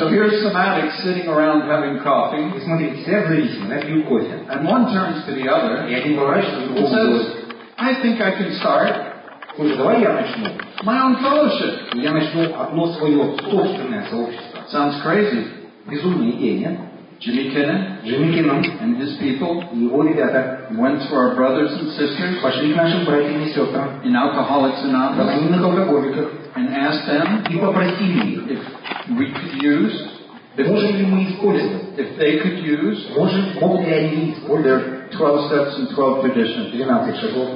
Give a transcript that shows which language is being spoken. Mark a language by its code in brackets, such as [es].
[en] So here's some addicts sitting around having coffee. [ru] И смотрите, все зависимые, пьют кофе. [en] And one turns to the other. [ru] И один поворачивается к другому. [en] Says, I think I can start. [ru] Слушай, давай я начну. [en] My own fellowship. [ru] Я начну одно свое собственное сообщество. [en] Sounds crazy. [ru] Безумная идея, нет? [en] Jimmy Kinnan and his people went to our brothers and sisters, [ru] пошли к нашим братьям и сестрам [en] in Alcoholics Anonymous, and asked them [ru] и попросили их, [en] if we could use, if, [ru] можем ли мы использовать, [en] if they could use, [ru] может, могут ли они использовать [en] their 12 steps and 12 traditions, [ru] 12 шагов,